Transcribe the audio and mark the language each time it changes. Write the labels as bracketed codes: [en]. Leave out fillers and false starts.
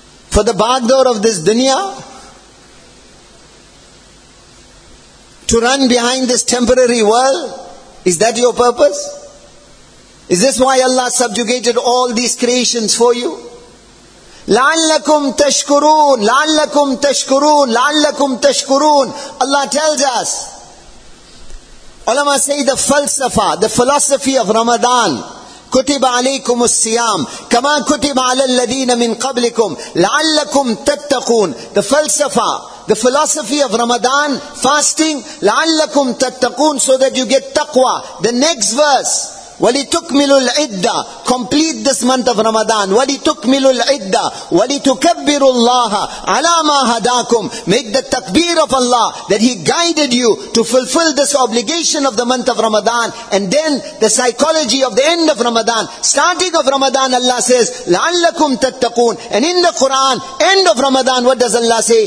[en] For the backdoor of this dunya? To run behind this temporary world? Is that your purpose? Is this why Allah subjugated all these creations for you? [ar] لَعَلَّكُمْ تَشْكُرُونَ لَعَلَّكُمْ تَشْكُرُونَ لَعَلَّكُمْ تَشْكُرُونَ [en] Allah tells us. Ulama say the falsafa, the philosophy of Ramadan. [ar] كُتِبَ عَلَيْكُمُ السِّيَامِ كَمَا كُتِبَ عَلَى الَّذِينَ مِنْ قَبْلِكُمْ لَعَلَّكُمْ تَتَّقُونَ [en] The falsafa, the philosophy of Ramadan, fasting, [ar] لَعَلَّكُمْ تَتَّقُونَ [en] So that you get taqwa. The next verse. [ar] وَلِتُكْمِلُوا الْعِدَّةِ [en] Complete this month of Ramadan. [ar] وَلِتُكْمِلُوا الْعِدَّةِ وَلِتُكَبِّرُوا اللَّهَ عَلَى مَا هَدَاكُمْ [en] Make the takbir of Allah that He guided you to fulfill this obligation of the month of Ramadan. And then the psychology of the end of Ramadan. Starting of Ramadan, Allah says, [ar] لَعَلَّكُمْ تَتَّقُونَ [en] And in the Quran, end of Ramadan, what does Allah say?